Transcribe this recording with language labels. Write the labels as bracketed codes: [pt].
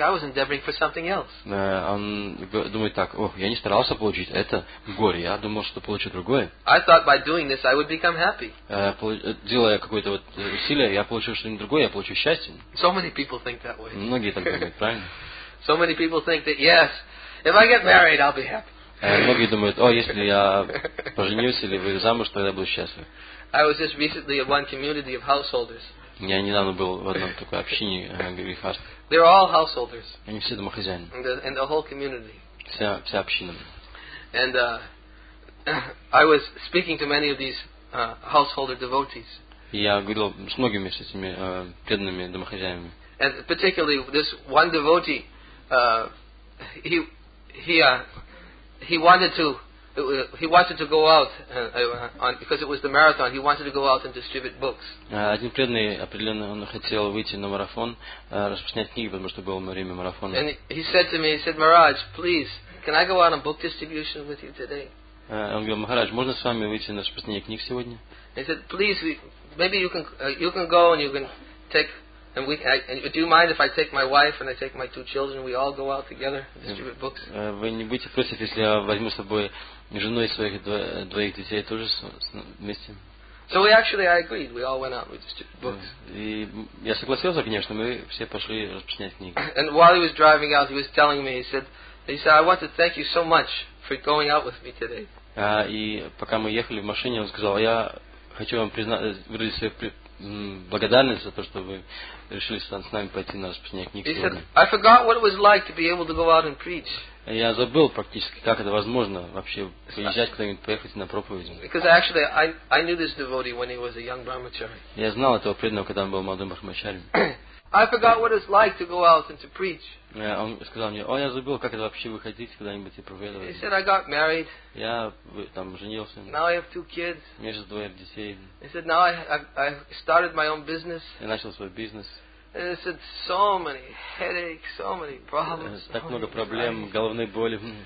[en] I was endeavoring for something else. [ru] Он думает так, ох, я не старался получить это горе. Я думал, что получу другое. [en] I thought by doing this, I would become happy. [ru] Делая какое-то вот усилие, я получу что-нибудь другое, я получу счастье. [en] So many people think that way. [ru] Многие так думают, правильно? [en] So many people think that, yes, if I get married, I'll be happy. [ru] Многие думают, о, если я поженюсь или выйду замуж, то я буду счастлив. [en] I was just recently in one community of householders. [ru] Я недавно был в одном такой общине грихаст. [en] They were all householders. [ru] Они все домохозяин. [en] And the whole community. [ru] Вся община. [en] And I was speaking to many of these householder devotees. [ru] Я говорил с многими с этими преданными домохозяевами. [en] And particularly this one devotee, he wanted to go out on because it was the marathon. He wanted to go out and distribute books. [ru] Один преданный определенно он хотел выйти на марафон, распространять книги, потому что было время марафона. [en] And he said to me, he said, "Maharaj, please, can I go out on book distribution with you today?" [ru] Он говорил, Махарадж, можно с вами выйти на распространение книг сегодня? [en] He said, "Please, maybe you can go and you can take." And we and do you mind if I take my wife and I take my two children? We all go out together and distribute books. [ru] Вы не будете против, если я возьму с собой жену и своих двоих детей тоже вместе? [en] So we actually, I agreed. We all went out with the books. [ru] И я согласился, конечно, мы все пошли распечатать книги. [en] And while he was driving out, he was telling me. He said, I want to thank you so much for going out with me today. [ru] И пока мы ехали в машине, он сказал, я хочу вам выразить свою благодарность за то, что вы решили с нами пойти на распечатание книг сегодня. [en] He said, I forgot what it was like to be able to go out and preach. [ru] Я забыл практически, как это возможно вообще приезжать куда-нибудь, поехать на проповеди. [en] Because actually, I knew this devotee when he was a young brahmachari. [ru] Я знал этого преданного, когда он был молодым брахмачарием. [en] I forgot what it's like to go out and to preach. [ru] Он сказал мне, я забыл, как это вообще выходить куда-нибудь и проповедовать. [en] He said, I got married. [ru] Я там женился. [en] Now I have two kids. [ru] У меня же двое детей. [en] He said, now I started my own business. [ru] Я начал свой бизнес. [en] And it said so many headaches, so many problems. [ru] Так много проблем, головные боли.